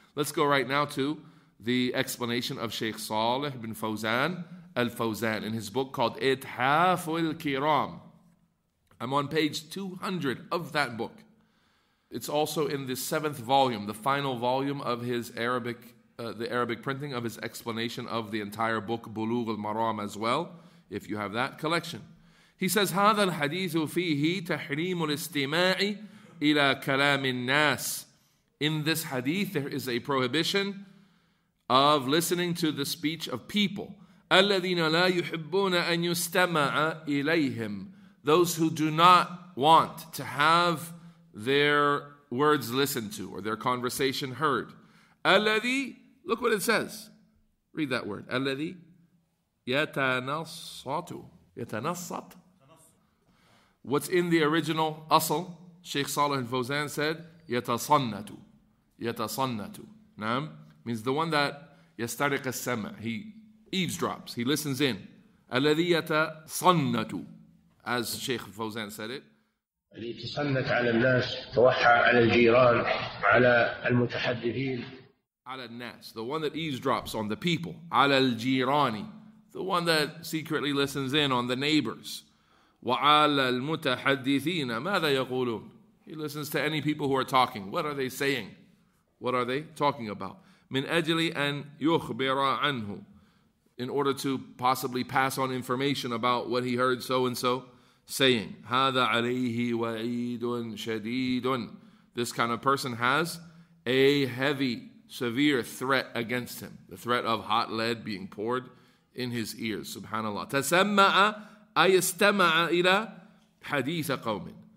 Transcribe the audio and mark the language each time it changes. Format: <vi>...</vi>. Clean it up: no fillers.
<en>Let's go right now to the explanation of Sheikh Saleh bin Fawzan al-Fawzan in his book called Ithaful Kiram. I'm on page 200 of that book. It's also in the seventh volume, the final volume of his Arabic, the Arabic printing of his explanation of the entire book, Bulugh al-Maram as well, if you have that collection. He says,</en> <ar>هذا الحديث فيه تحريم الاستماع إلى كلام الناس.</ar> <en>In this hadith, there is a prohibition of listening to the speech of people.</en> <ar>الذين لا يحبون أن يستمع إليهم.</ar> <en>Those who do not want to have their words listened to or their conversation heard. Alladhi, look what it says. Read that word.</en> <ar>Alladhi yatanassatu. Yatanassat.</ar> <en>What's in the original asl, Sheikh Saleh al-Fawzan said,</en> <ar>yatasannatu. Yatasannatu. Naam?</ar> <en>Means the one that</en> <ar>yastariq as-sama.</ar> <en>He eavesdrops. He listens in.</en> <ar>Alladhi yatasannatu.</ar> <en>As Sheikh Fawzan said it.</en> <ar>اللي تصنت على الناس توحى على الجيران على المتحدثين. على الناس,</ar> <en>the one that eavesdrops on the people.</en> <ar>على الجيراني,</ar> <en>the one that secretly listens in on the neighbors.</en> <ar>وعلى المتحدثين ماذا يقولون.</ar> <en>He listens to any people who are talking. What are they saying? What are they talking about?</en> <ar>من أجل أن يخبر عنه,</ar> <en>in order to possibly pass on information about what he heard so and so saying.</en> <ar>هذا عليه وعيد شديد.</ar> <en>This kind of person has a heavy, severe threat against him. The threat of hot lead being poured in his ears.</en> <ar>Subhanallah. تسمع أي استمع إلى حديث قوم.</ar>